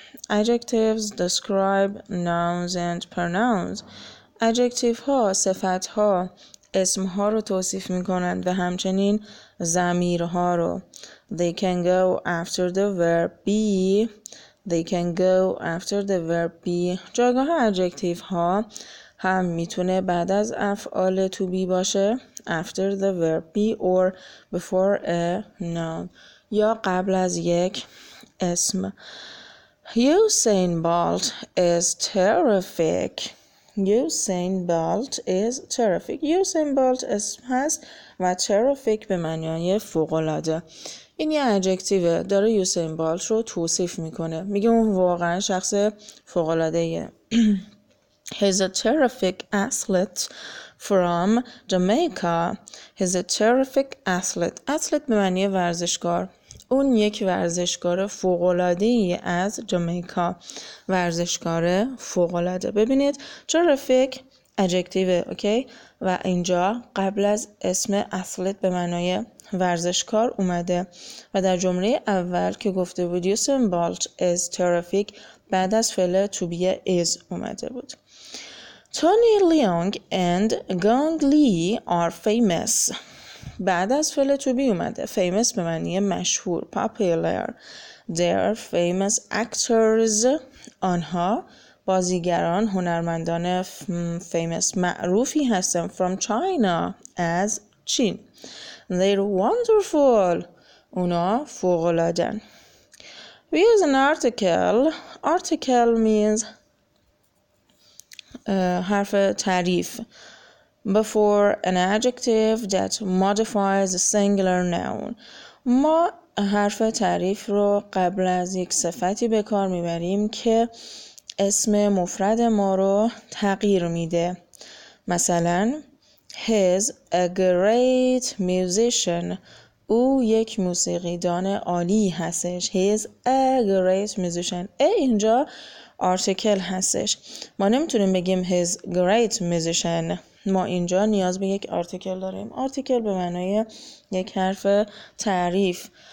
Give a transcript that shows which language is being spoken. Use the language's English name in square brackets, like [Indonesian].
[English] Adjectives describe nouns and pronouns. [Persian] Adjective ها صفات ها اسم ها رو توصیف می کنند و همچنین ضمیر ها رو. [English] They can go after the verb be. They can go after the verb be. [Persian] جایگاه adjective ها هم میتونه بعد از افعال to be باشه [English] after the verb be or before a noun [Persian] یا قبل از یک اسم. [English] Usain Bolt is terrific. Usain Bolt is terrific. [Persian] Usain Bolt اسم هست و terrific به معنی فوق‌العاده. این یه ادجکتیوه، داره یوسین بالت رو توصیف میکنه، میگه اون واقعا شخص فوق‌العاده‌ایه. [English] He's a terrific athlete from Jamaica. He's a terrific athlete. [Persian] Athlete به معنی ورزشکار. اون یک ورزشکار فوق‌العاده‌ای از جامائیکا. ورزشکار فوق‌العاده. ببینید terrific ادجکتیوه، اوکی؟ و اینجا قبل از اسم athlete به معنی ورزشکار اومده و در جمله اول که گفته بود [English] Usain Bolt is terrific [Persian] بعد از فعل to be is اومده بود. [English] Tony Leung and Gong Li are famous. [Persian] بعد از فعل to be اومده. Famous به معنی مشهور. [English] Popular. They are famous actors. [Persian] آنها بازیگران هنرمندان famous معروفی هستن [English] from China [Persian] از چین. [English] They're wonderful. [Persian] اونا فوق‌العاده‌ن. [English] We use an article. Article means [Persian] حرف تعریف. [English] Before an adjective that modifies a singular noun. [Persian] ما حرف تعریف رو قبل از یک صفتی به کار میبریم که اسم مفرد ما رو تغییر میده. مثلا [English] He's a great musician. [Persian] او یک موسیقیدان عالی هستش. [English] He's a great musician. [Persian] اینجا آرتیکل هستش. ما نمیتونیم بگیم [English] He's great musician. [Persian] ما اینجا نیاز به یک آرتیکل داریم. آرتیکل به معنای یک حرف تعریف.